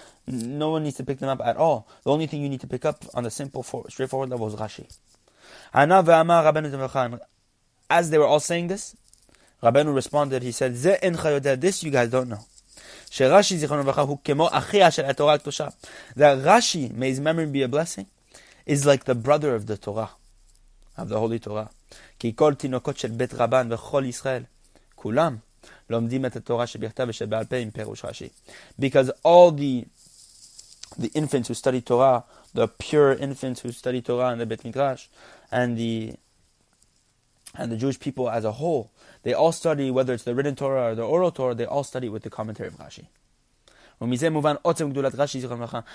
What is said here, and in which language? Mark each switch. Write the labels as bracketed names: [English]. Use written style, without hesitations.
[English] No one needs to pick them up at all. The only thing you need to pick up on the simple, straightforward level is Rashi. As they were all saying this, Rabbeinu responded, he said, "Ze en chayoda, this you guys don't know. Rashi that Rashi, may his memory be a blessing, is like the brother of the Torah, of the Holy Torah. [Hebrew] כי כל תינוקות של בית רבן וכל ישראל, כולם לומדים את התורה שבכתב ושבעל פה עם פירוש רשי. [English] Because all the infants who study Torah, the pure infants who study Torah in the Bet Midrash, and the Jewish people as a whole, they all study, whether it's the written Torah or the oral Torah, they all study with the commentary of Rashi.